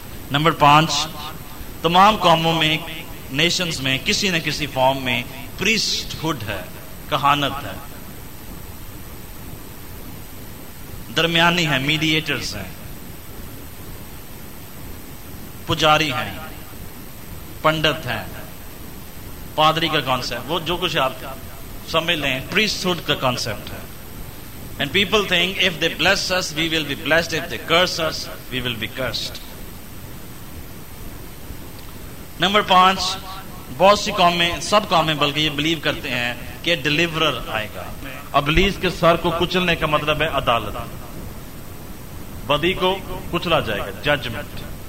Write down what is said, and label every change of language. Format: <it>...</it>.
<ur>Number پانچ, تمام قوموں میں, نیشنز میں کسی نہ کسی فارم میں پریسٹ ہڈ ہے, کہانت ہے, درمیانی ہے, میڈیٹرز ہیں, پجاری ہیں, پنڈت ہیں, پادری کا کانسیپٹ, وہ جو کچھ آپ سمجھ لیں پریسٹ ہڈ کا کانسیپٹ ہے.</ur> <en>And people think if they bless us, we will be blessed. If they curse us, we will be cursed. Number 5,</en> <ur>بہت سی قوم میں, سب قوم میں بلکہ یہ بلیو کرتے ہیں کہ ڈیلیورر آئے گا. ابلیس کے سر کو کچلنے کا مطلب ہے عدالت, بدی کو کچلا جائے گا, ججمنٹ.</ur>